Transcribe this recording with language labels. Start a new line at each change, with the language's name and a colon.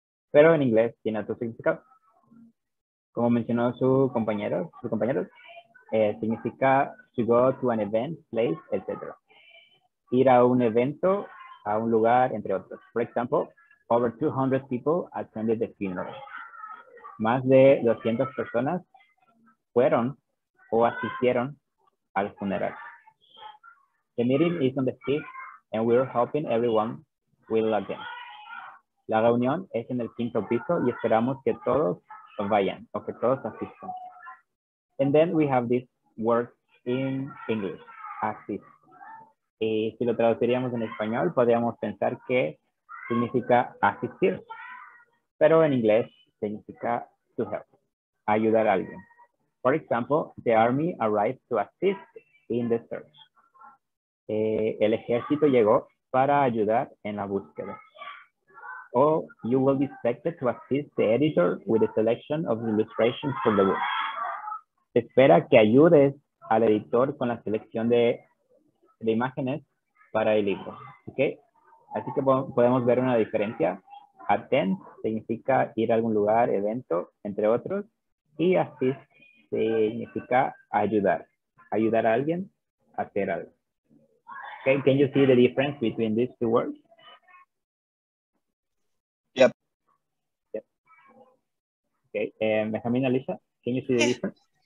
Spanish: Pero en inglés tiene otro significado. Como mencionó su compañero, significa
English: to go to an event, place, etc.
Spanish: Ir a un evento, a un lugar, entre otros.
English: For example, over 200 people attended the funeral.
Spanish: Más de 200 personas fueron o asistieron al funeral.
English: The meeting is on the 5th and we're hoping everyone will attend.
Spanish: La reunión es en el quinto piso y esperamos que todos vayan o que todos asistan.
English: And then we have this word in English, assist.
Spanish: Y si lo traduciríamos en español, podríamos pensar que significa asistir. Pero en inglés significa
English: to help,
Spanish: ayudar a alguien.
English: For example, the army arrived to assist in the search.
Spanish: El ejército llegó para ayudar en la búsqueda.
English: Or you will be expected to assist the editor with the selection of illustrations for the book.
Spanish: Se espera que ayudes al editor con la selección de imágenes para el libro. Okay? Así que podemos ver una diferencia. Attend significa ir a algún lugar, evento, entre otros. Y assist significa ayudar. Ayudar a alguien lateral.
English: Okay, can you see the difference between these two words? Yep. Yep. Okay, Benjamin, Alicia, can you see the difference?